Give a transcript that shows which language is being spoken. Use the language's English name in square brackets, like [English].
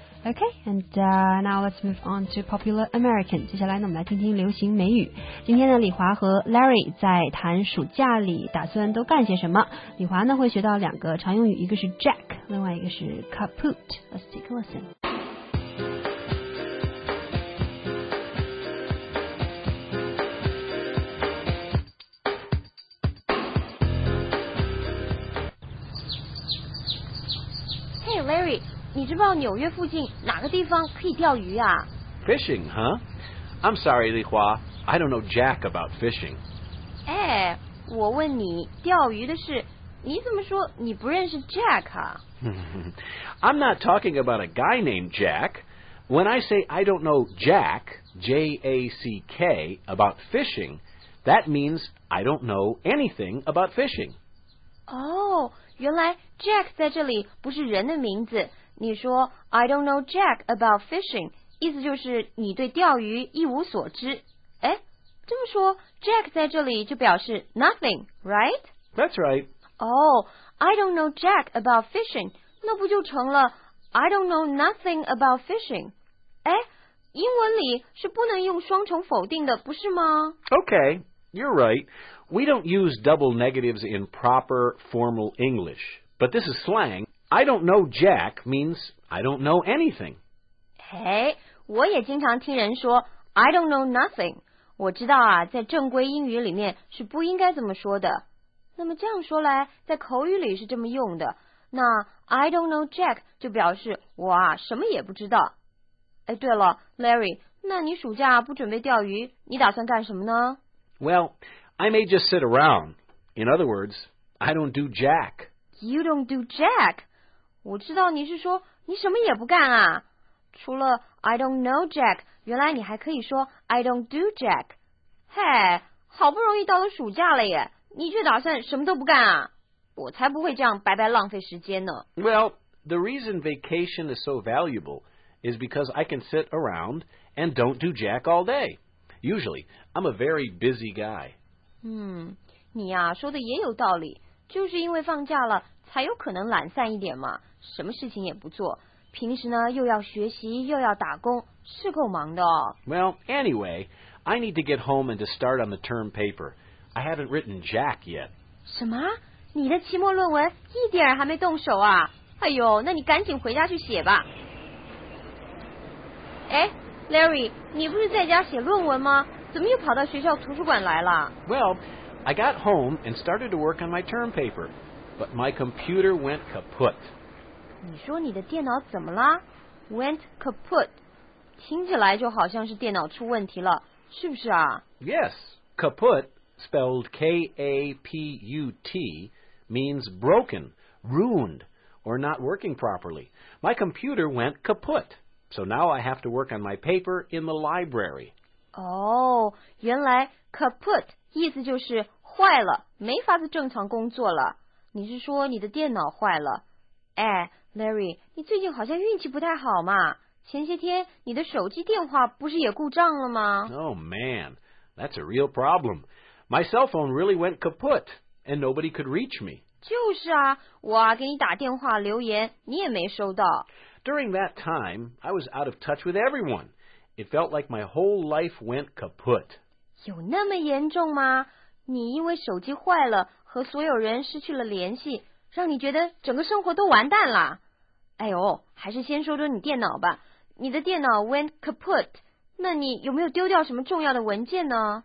[English] Okay, and now let's move on to popular American. [Chinese] 接下来呢，我们来听听流行美语。今天呢，李华和 Larry 在谈暑假里打算都干些什么。李华呢会学到两个常用语，一个是 Jack， 另外一个是 Caput。 [English] Let's take a listen. Hey, Larry. [Chinese] 你知不知道纽约附近哪个地方可以钓鱼啊 [English] ？Fishing, huh? I'm sorry, Li Hua. I don't know jack about fishing. [Chinese] 哎，我问你钓鱼的事，你怎么说你不认识 Jack 啊 [English] ？I'm not talking about a guy named Jack. When I say I don't know Jack, J-A-C-K, about fishing, that means I don't know anything about fishing. [Chinese] 哦，原来 Jack 在这里不是人的名字。你说 [English] I don't know Jack about fishing [Chinese] 意思就是你对钓鱼一无所知诶这么说 Jack 在这里就表示 [English] nothing, right? That's right Oh, I don't know Jack about fishing [Chinese] 那不就成了 [English] I don't know nothing about fishing [Chinese] 诶英文里是不能用双重否定的不是吗 [English] Okay, you're right We don't use double negatives in proper formal English, but this is slang. I don't know Jack means I don't know anything. [Chinese] Hey, 我也经常听人说 [English] I don't know nothing. [Chinese] 我知道啊，在正规英语里面是不应该这么说的。那么这样说来，在口语里是这么用的。那 I don't know Jack 就表示我啊什么也不知道。哎，对了 ， [English] Larry， [Chinese] 那你暑假不准备钓鱼，你打算干什么呢 [English] ？Well, I may just sit around. In other words, I don't do Jack. You don't do Jack. [Chinese] 我知道你是说你什么也不干啊。除了 [English] I don't know Jack， [Chinese] 原来你还可以说 [English] I don't do Jack。 [Chinese] 嘿，好不容易到了暑假了耶，你却打算什么都不干啊？我才不会这样白白浪费时间呢。 [English] Well, the reason vacation is so valuable is because I can sit around and don't do Jack all day. Usually, I'm a very busy guy. [Chinese] 你呀、说的也有道理，就是因为放假了，才有可能懒散一点嘛，什么事情也不做。平时呢，又要学习，又要打工，是够忙的哦。 [English] Well, anyway, I need to get home and to start on the term paper. I haven't written Jack yet. [Chinese] 什么？你的期末论文一点还没动手啊？哎呦，那你赶紧回家去写吧。哎 ，Larry， 你不是在家写论文吗？怎么又跑到学校图书馆来了 [English] ？Well, I got home and started to work on my term paper, but my computer went kaput. [Chinese] 你说你的电脑怎么了 ？ [English] Went kaput， [Chinese] 听起来就好像是电脑出问题了，是不是啊 [English] ？Yes, kaput, spelled K-A-P-U-T, means broken, ruined, or not working properly. My computer went kaput. So now I have to work on my paper in the library. [Chinese] Oh, 原来 kaput 意思就是坏了，没法子正常工作了。你是说你的电脑坏了？哎 ，Larry， 你最近好像运气不太好嘛。前些天你的手机电话不是也故障了吗 [English] ？Oh man, that's a real problem. My cell phone really went kaput, and nobody could reach me. [Chinese] 就是啊，我啊给你打电话留言，你也没收到。 [English] During that time, I was out of touch with everyone. It felt like my whole life went kaput. [Chinese] 有那么严重吗？你因为手机坏了，和所有人失去了联系，让你觉得整个生活都完蛋了。哎呦，还是先说说你电脑吧。你的电脑 [English] went kaput. [Chinese] 那你有没有丢掉什么重要的文件呢